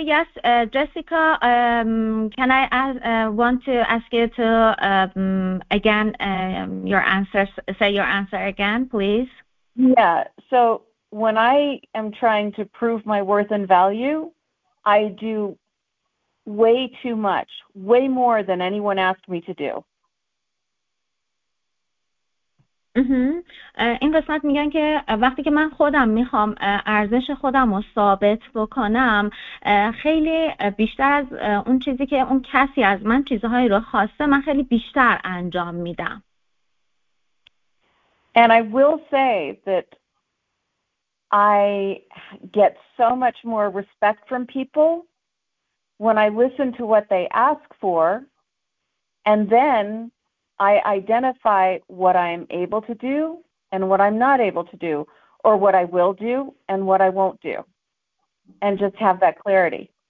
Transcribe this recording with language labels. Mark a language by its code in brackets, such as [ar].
[en] Yes, Jessica, can I want to ask you to again your answers, say your answer again, please? Yeah. So, when I am trying to prove my worth and value, I do way too much, way more than anyone asked me to do. [fa] این قسمت میگن که وقتی که من خودم میخوام ارزش خودم رو ثابت بکنم، خیلی بیشتر از اون چیزی که اون کسی از من چیزهایی رو خواسته، من خیلی بیشتر انجام میدم. [en] And I will say that I get so much more respect from people when I listen to what they ask for and then I identify what I'm able to do and what I'm not able to do, or what I will do and what I won't do, and just have that clarity.